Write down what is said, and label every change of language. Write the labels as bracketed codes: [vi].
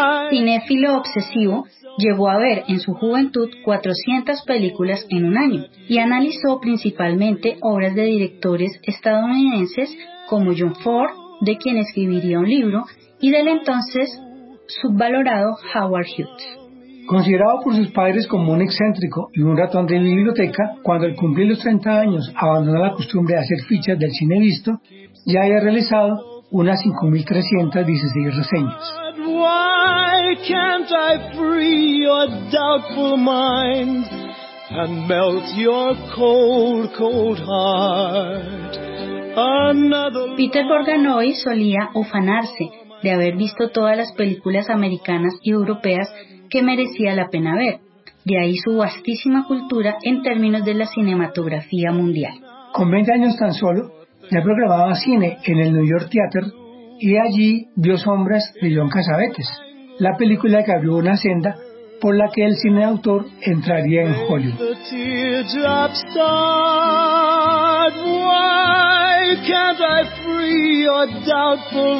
[es] Cinéfilo obsesivo, llevó a ver en su juventud 400 películas en un año y analizó principalmente obras de directores estadounidenses como John Ford, de quien escribiría un libro, y del entonces subvalorado Howard Hughes. Considerado por sus padres como un excéntrico y un ratón de biblioteca, cuando al cumplir los 30 años abandonó la costumbre de hacer fichas del cine visto, ya había realizado unas 5.316 reseñas. [en] Why can't I free your doubtful mind and melt your cold, cold heart? Another... [es] Peter Bogdanovich solía ufanarse de haber visto todas las películas americanas y europeas que merecía la pena ver. De ahí su vastísima cultura en términos de la cinematografía mundial. Con 20 años tan solo, ya programaba cine en el New York Theater y allí vio Sombras de John Cassavetes, la película que abrió una senda por la que el cine de autor entraría en Hollywood. Why can't I free your doubtful